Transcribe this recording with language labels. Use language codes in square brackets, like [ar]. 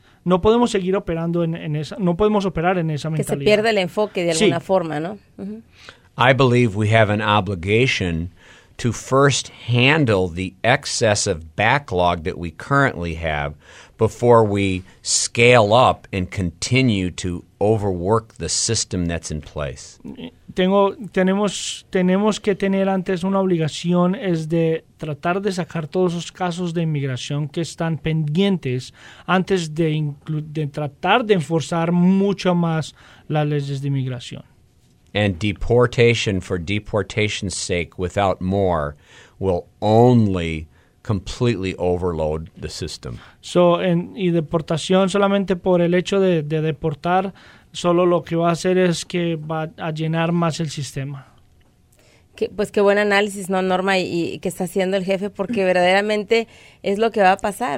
[es] No podemos seguir operando en esa, no podemos operar en esa mentalidad. Que se pierde el enfoque de alguna forma, ¿no? Uh-huh. [en] I believe we have an obligation to first handle the excessive backlog that we currently have before we scale up and continue to overwork the system that's in place. [es] Tenemos que tener antes una obligación es de tratar de sacar todos esos casos de inmigración que están pendientes antes de tratar de enforzar mucho más las leyes de inmigración. [en] And deportation for deportation's sake without more will only completely overload the system. [es] So, en, y deportación solamente por el hecho de, de deportar, solo lo que va a hacer es que va a llenar más el sistema. Que, pues qué buen análisis, ¿no, Norma? Y que está haciendo el jefe, porque verdaderamente es lo que va a pasar.